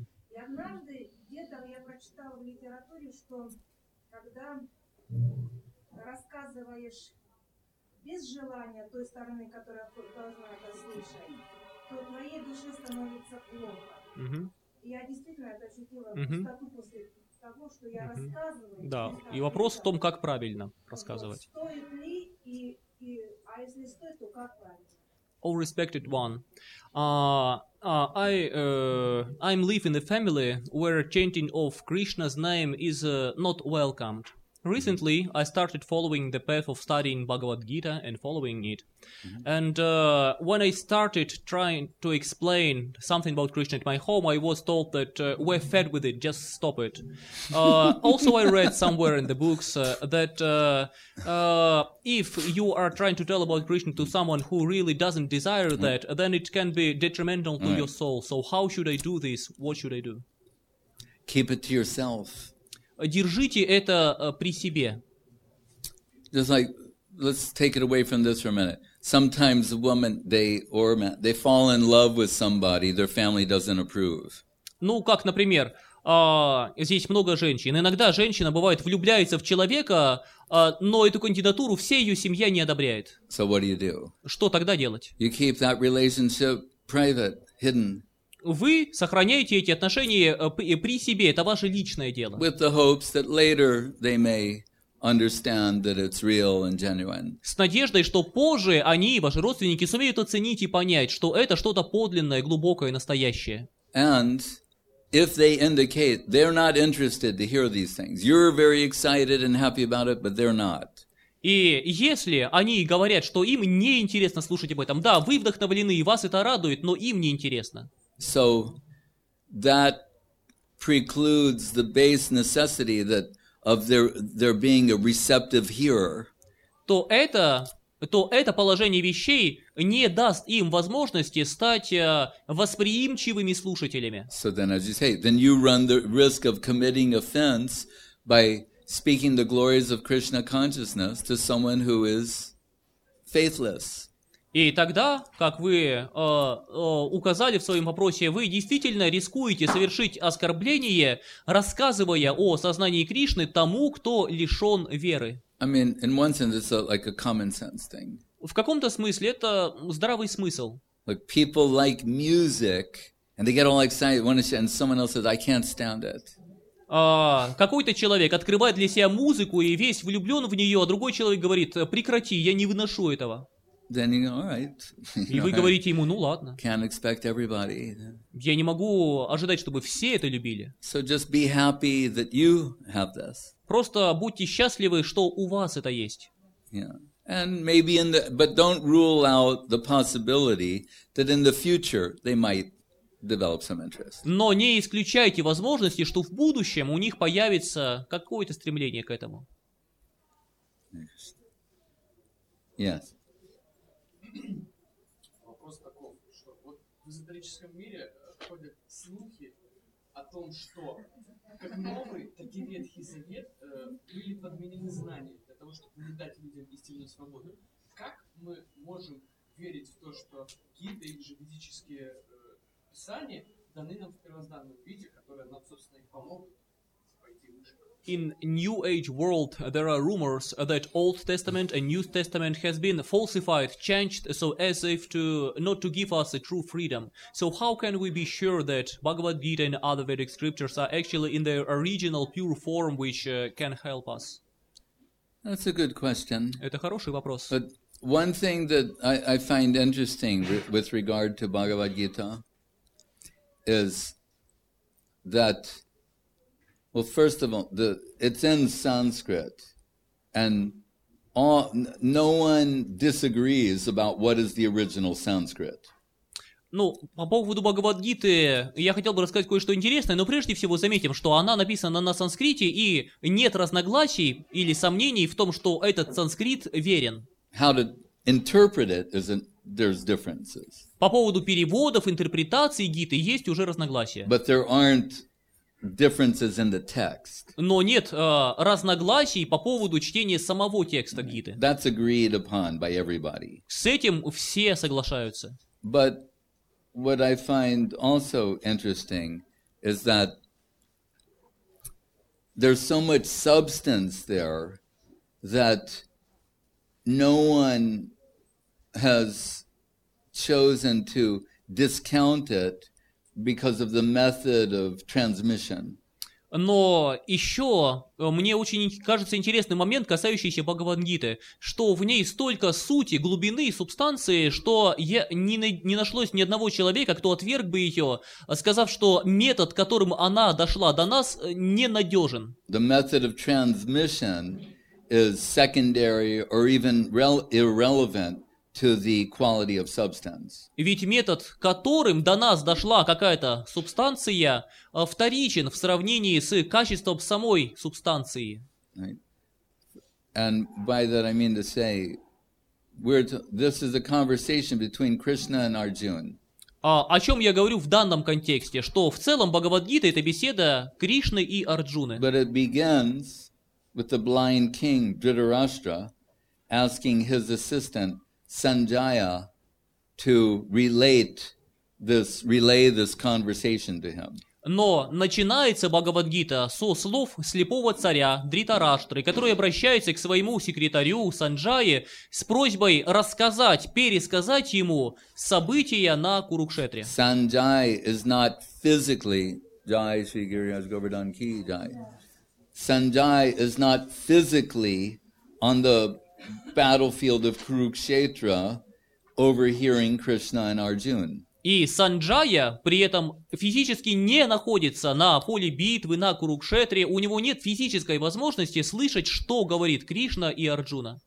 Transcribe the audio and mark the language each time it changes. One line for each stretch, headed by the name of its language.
Russian: И однажды где-то я прочитала в литературе, что когда рассказываешь без желания той стороны, которая должна это слышать, то твоей душе становится плохо. Я действительно это ощутила пустоту после того, что я рассказываю. Да, и вопрос в том, как правильно рассказывать. Стоит ли, а если стоит, то как правильно?
English: All respected one, I live in a family where chanting of Krishna's name is not welcomed. Recently, I started following the path of studying Bhagavad Gita and following it. Mm-hmm. And when I started trying to explain something about Krishna at my home, I was told that we're fed with it, just stop it. Also, I read somewhere in the books that if you are trying to tell about Krishna to someone who really doesn't desire that, then it can be detrimental to your soul. So how should I do this? What should I do? Keep it to yourself.
Russian: Держите это при себе.
English: Just like, let's take it away from this for a minute. Sometimes a woman, they fall in love with somebody their family doesn't approve.
Russian: Ну, как, например, здесь много женщин. Иногда женщина, бывает, влюбляется в человека, но эту кандидатуру вся ее семья не одобряет.
English: So what do you do?
Russian: Что тогда делать?
English: You keep that relationship private, hidden.
Russian: Вы сохраняете эти отношения при себе, это ваше личное дело.
English: With the hopes that later they may understand that it's real and genuine.
Russian: С надеждой, что позже они, ваши родственники, сумеют оценить и понять, что это что-то подлинное, глубокое, настоящее.
English: And if they indicate they're not interested to hear these things, you're very excited and happy about it, but they're not.
Russian: И если они говорят, что им не интересно слушать об этом, да, вы вдохновлены, и вас это радует, но им не интересно.
English: So that precludes the base necessity that of there being a receptive hearer.
Russian: То это положение вещей не даст им возможности стать восприимчивыми слушателями.
English: So then, as you say, then you run the risk of committing offense by speaking the glories of Krishna consciousness to someone who is faithless.
Russian: И тогда, как вы указали в своем вопросе, вы действительно рискуете совершить оскорбление, рассказывая о сознании Кришны тому, кто лишен веры.
English: I mean, in one sense, it's like a common sense thing.
Russian: В каком-то смысле это здравый смысл.
English: Like people like music, and they get all excited when it's, and someone else says, "I can't stand it."
Russian: Какой-то человек открывает для себя музыку и весь влюблен в нее, а другой человек говорит: "Прекрати, я не выношу этого."
English: Then you go, all right.
Russian: И вы говорите ему, ну ладно.
English: Can't expect everybody.
Russian: Я не могу ожидать, чтобы все это любили.
English: So just be happy that you have this.
Russian: Просто будьте счастливы, что у вас это есть.
English: Yeah. And maybe in the, but don't rule out the possibility that in the future they might develop some interest.
Russian: Но не исключайте возможности, что в будущем у них появится какое-то стремление к этому.
English: Yes.
Russian: Вопрос таков, что вот в эзотерическом мире ходят слухи о том, что как Новый, так и Ветхий Завет были подменены знания для того, чтобы не дать людям истинную свободу. Как мы можем верить в то, что гиды, их же ведические писания даны нам в первозданном виде, которые нам, собственно, и помогут пойти выше?
English: In New Age world, there are rumors that Old Testament and New Testament has been falsified, changed, so as if to not to give us a true freedom. So how can we be sure that Bhagavad Gita and other Vedic scriptures are actually in their original pure form, which can help us? That's a good question.
Russian: Это хороший вопрос.
English: But one thing that I find interesting with regard to Bhagavad Gita is that. Well, first of all, it's in Sanskrit, and no one disagrees about what is the original Sanskrit.
Russian: Ну, по поводу Бхагавад-гиты, я хотел бы рассказать кое-что интересное, но прежде всего заметим, что она написана на санскрите, и нет разногласий или сомнений в том, что этот санскрит верен.
English: How to interpret it is there's differences.
Russian: По поводу переводов, интерпретаций гиты есть уже разногласия.
English: But there aren't differences in the text.
Russian: Но нет разногласий по поводу чтения самого текста Гиты.
English: That's agreed upon by everybody.
Russian: С этим все соглашаются.
English: But what I find also interesting is that there's so much substance there that no one has chosen to discount it because of the method of transmission.
Russian: Но еще мне очень кажется интересный момент, касающийся Бхагавад-гиты, что в ней столько сути, глубины и субстанции, что я не нашлось ни одного человека, кто отверг бы ее, сказав, что метод, которым она дошла до нас, ненадежен.
English: The method of transmission is secondary or even irrelevant to the quality of substance.
Russian: Ведь метод, которым до нас дошла какая-то субстанция, вторичен в сравнении с качеством самой субстанции.
English: Right. And by that I mean to say, this is a conversation between Krishna and Arjuna.
Russian: О чем я говорю в данном контексте, что в целом Бхагавад-гита — это беседа Кришны и Арджуны.
English: But it begins with the blind king Dhritarashtra asking his assistant Sanjaya to relay this conversation to him.
Russian: Но начинается Бхагавад-гита со слов слепого царя Дритараштры, который обращается к своему секретарю Санджае с просьбой рассказать, пересказать ему события на Курукшетре.
English: Sanjaya is not physically
Hindi: Jai Sri Giriraj Govardhan Ki Jai.
English: Sanjaya is not physically on the battlefield of Kurukshetra overhearing Krishna and Arjuna.
Russian: И Санджая при этом физически не находится на поле битвы, на Курукшетре. У него нет физической возможности слышать, что говорит Кришна и Арджуна.